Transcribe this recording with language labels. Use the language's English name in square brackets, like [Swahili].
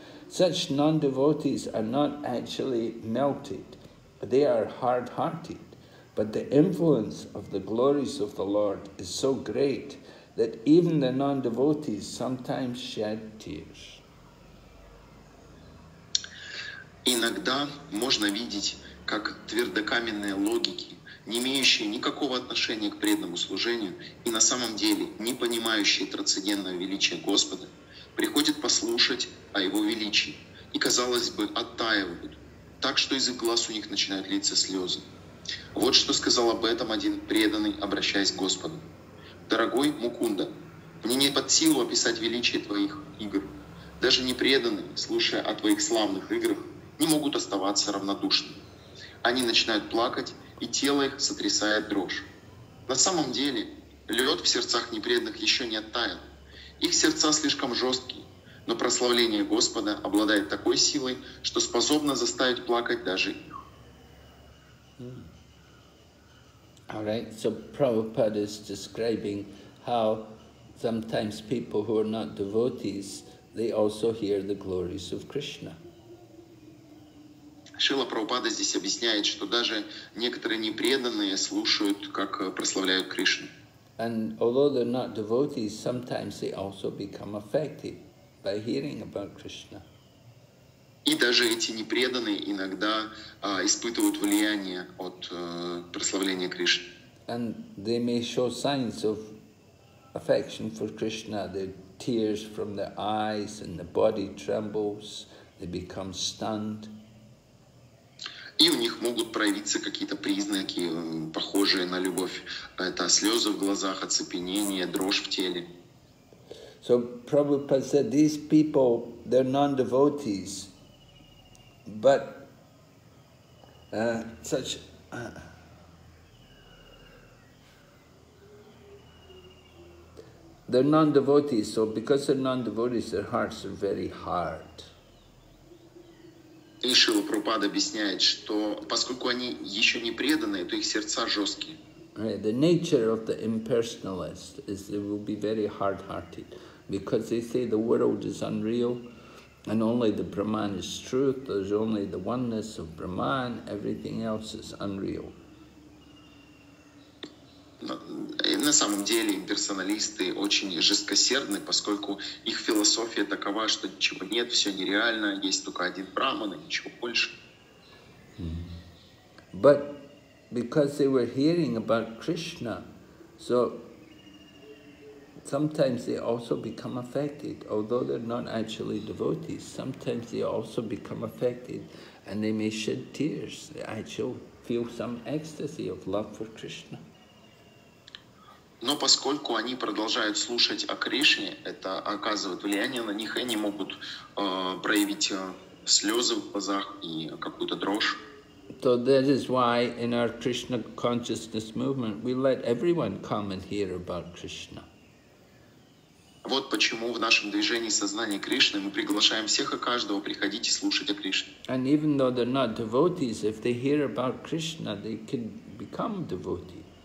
[English] Such non-devotees are not actually melted, they are hard-hearted. But the influence of the glories of the Lord is so great that even the non-devotees sometimes shed tears." [Russian] Иногда можно видеть, как твердокаменные логики, не имеющие никакого отношения к преданному служению и на самом деле не понимающие трансцендентного величия Господа, приходят послушать о Его величии и, казалось бы, оттаивают, так что из их глаз у них начинают литься слезы. Вот что сказал об этом один преданный, обращаясь к Господу. «Дорогой Мукунда, мне не под силу описать величие твоих игр. Даже непреданные, слушая о твоих славных играх, не могут оставаться равнодушными. Они начинают плакать, и тело их сотрясает дрожь. На самом деле, лед в сердцах непреданных еще не оттаял. Их сердца слишком жесткие, но прославление Господа обладает такой силой, что способно заставить плакать даже их». [English] All right, so Prabhupada is describing how sometimes people who are not devotees, they also hear the glories of Krishna. [Russian] Шрила Прабхупада здесь объясняет, что даже некоторые непреданные слушают, как прославляют Кришну. [English] And although they're not devotees, sometimes they also become affected by hearing about Krishna. [Russian] И даже эти непреданные иногда испытывают влияние от прославления Кришны. [English] And they may show signs of affection for Krishna. The tears from the eyes and the body trembles, they become stunned. [Russian] И у них могут проявиться какие-то признаки, похожие на любовь. Это слезы в глазах, оцепенение, дрожь в теле. [English] So Prabhupada said, these people, they're non-devotees, but such... they're non-devotees, so because they're non-devotees, their hearts are very hard. [Russian] И Шрила Прабхупада объясняет, что поскольку они еще не преданные, то их сердца жесткие. [English] Right. The nature of the impersonalist is they will be very hard-hearted, because they say the world is unreal, and only the Brahman is truth, there's only the oneness of Brahman, everything else is unreal. [Russian] На самом деле имперсоналисты очень жесткосердны, поскольку их философия такова, что ничего нет, все нереально, есть только один Брахман и ничего больше. [English] But because they were hearing about Krishna, so sometimes they also become affected, although they're not actually devotees, sometimes they also become affected and they may shed tears, they actually feel some ecstasy of love for Krishna. [Russian] Но поскольку они продолжают слушать о Кришне, это оказывает влияние на них, и они могут проявить слезы в глазах и какую-то дрожь. [English] So that is why in our Krishna consciousness movement we let everyone come and hear about Krishna. [Russian] Вот почему в нашем движении сознания Кришны мы приглашаем всех и каждого приходить и слушать о Кришне. [English] And even though they're not devotees, if they hear about Krishna, they can become devotees.